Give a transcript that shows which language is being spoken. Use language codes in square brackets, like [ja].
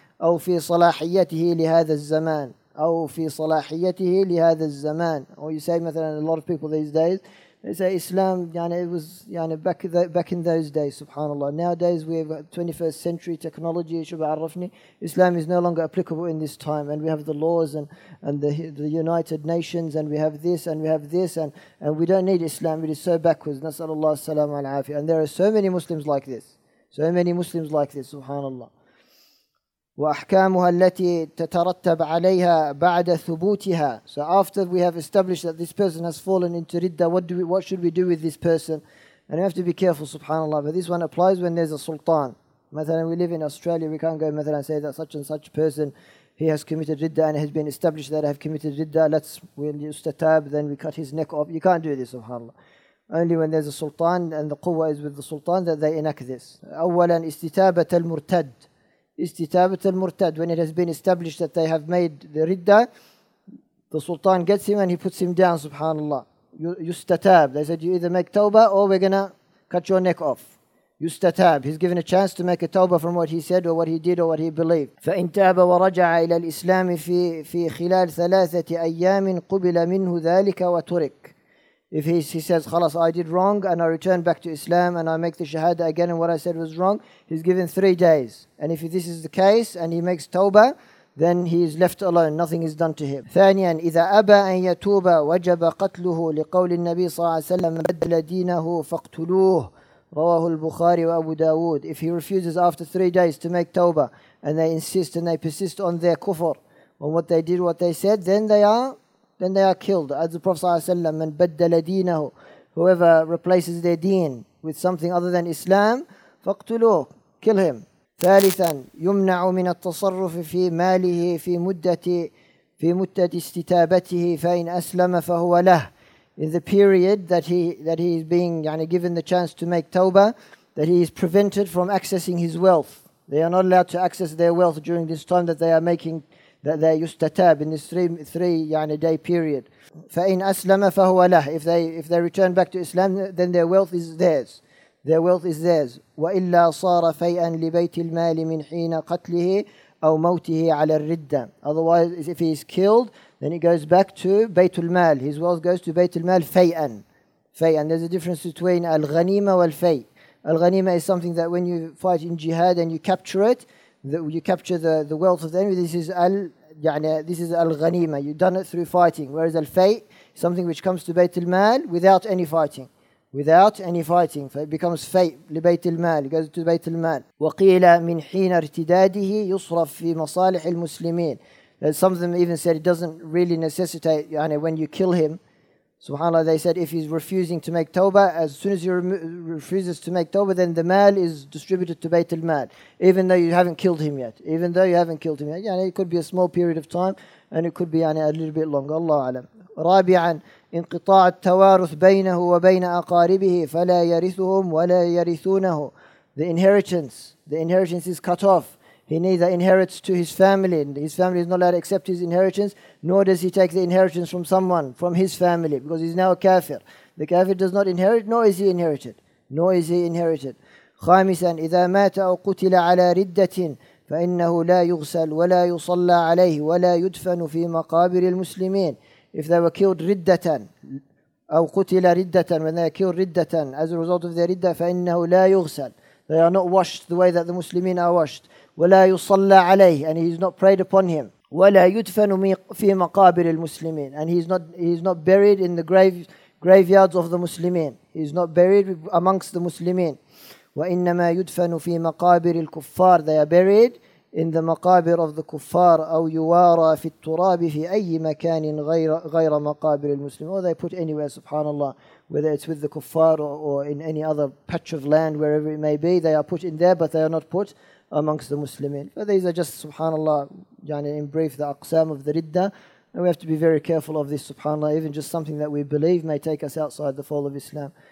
[ar] أو في صلاحيته لهذا الزمان, أو في صلاحيته لهذا الزمان. [en] Or you say, مثلا, a lot of people these days, they say Islam, يعني, it was, يعني, back in those days, subhanAllah. Nowadays we have 21st century technology, شبعرفني. Islam is no longer applicable in this time, and we have the laws and the United Nations, and we have this and we have this, and we don't need Islam, it is so backwards. [ar] نسأل الله السلام والعافية. [en] And there are so many Muslims like this. So many Muslims like this, subhanAllah. [ar] وأحكامها التي تترتب عليها بعد ثبوتها. [en] So after we have established that this person has fallen into ridda, what should we do with this person? And we have to be careful, subhanAllah. But this one applies when there's a sultan. مثلا, we live in Australia, we can't go مثلا say that such and such person, he has committed ridda and it has been established that I have committed ridda, let's we'll use the tab, then we cut his neck off. You can't do this, subhanAllah. Only when there's a sultan and the quwwah is with the sultan that they enact this. [ar] أولا استتابة المرتد. استتابة المرتد, [en] when it has been established that they have made the ridda, the sultan gets him and he puts him down, subhanAllah. يستتاب, they said, you either make tawbah or we're gonna cut your neck off. يستتاب, he's given a chance to make a tawbah from what he said or what he did or what he believed. [ar] فإن تاب ورجع إلى الإسلام في خلال ثلاثة أيام قبل منه ذلك وترك. [en] If he says, خلاص, I did wrong and I return back to Islam and I make the shahada again and what I said was wrong, he's given 3 days. And if this is the case and he makes tawbah, then he is left alone. Nothing is done to him. [ar] ثانيا, إذا أبى أن يتوب وجب قتله لقول النبي صلى الله عليه وسلم بدل دينه فاقتلوه رواه البخاري وأبو داود. [en] If he refuses after 3 days to make tawbah and they insist and they persist on their kufr, on what they did, what they said, then they are killed, as the Prophet ﷺ, [ar] من بدل دينه, [en] whoever replaces their deen with something other than Islam, فاقتلوه, kill him. [ar] ثالثا, يمنع من التصرف في ماله في مدة استتابته فإن أسلم فهو له. [en] In the period that he is being يعني given the chance to make tawbah, that he is prevented from accessing his wealth. They are not allowed to access their wealth during this time that they are making that they yustatab in this three يعني day period. [ar] فإن أسلم فهو له. [en] If they return back to Islam, then their wealth is theirs. Their wealth is theirs. [ar] وإلا صار فيئا لبيت المال من حين قتله أو موته على الردة. [en] Otherwise, if he is killed, then it goes back to بيت المال. His wealth goes to بيت المال فيئا. فيئا. There's a difference between الغنيمة والفيء. الغنيمة is something that when you fight in jihad and you capture it, you capture the wealth of the enemy. This is al-ghanima. You've done it through fighting. Whereas al-fay, something which comes to bayt al-mal without any fighting. Without any fighting. So it becomes fay لبيت المال. It goes to bayt al-mal. [ar] وقيل من حين ارتداده يصرف في مصالح المسلمين. [en] Some of them even said it doesn't really necessitate, يعني, when you kill him. SubhanAllah, they said if he's refusing to make tawbah, as soon as he refuses to make tawbah, then the mal is distributed to bayt al-mal, even though you haven't killed him yet. Even though you haven't killed him yet. Yani it could be a small period of time, and it could be yani a little bit longer. Allah alam. [ar] رابعا, انقطاع التوارث بينه وبين أقاربه فلا يرثهم ولا يرثونه. [en] The inheritance is cut off. He neither inherits to his family, and his family is not allowed to accept his inheritance, nor does he take the inheritance from someone, from his family, because he's now a kafir. The kafir does not inherit, nor is he inherited. [ar] خامسا, إذا مات أو قتل على ردة فإنه لا يغسل ولا يصلى عليه ولا يدفن في مقابر المسلمين. [en] If they were killed [ar] ردة أو قتل ردة, [en] when they are killed ردة as a result of their ردة, [ar] فإنه لا يغسل. [en] They are not washed the way that the Muslimin are washed. [ar] ولا يصلى عليه, [en] and he is not prayed upon him. [ar] ولا يدفن في مقابر المسلمين, [en] and he is not buried in the graveyards of the Muslimin. He is not buried amongst the Muslimin. [ar] وإنما يدفن في مقابر الكفار. [en] They are buried in the [ar] مقابر of the كفار, أو يوارى في التراب في أي مكان غير مقابر المسلمين. [en] Or they put anywhere, subhanAllah, whether it's with the كفار or in any other patch of land, wherever it may be, they are put in there, but they are not put amongst the Muslimin. But these are just, subhanAllah, يعني in brief, the Aqsam of the Ridda, And we have to be very careful of this, subhanAllah. Even just something that we believe may take us outside the fold of Islam.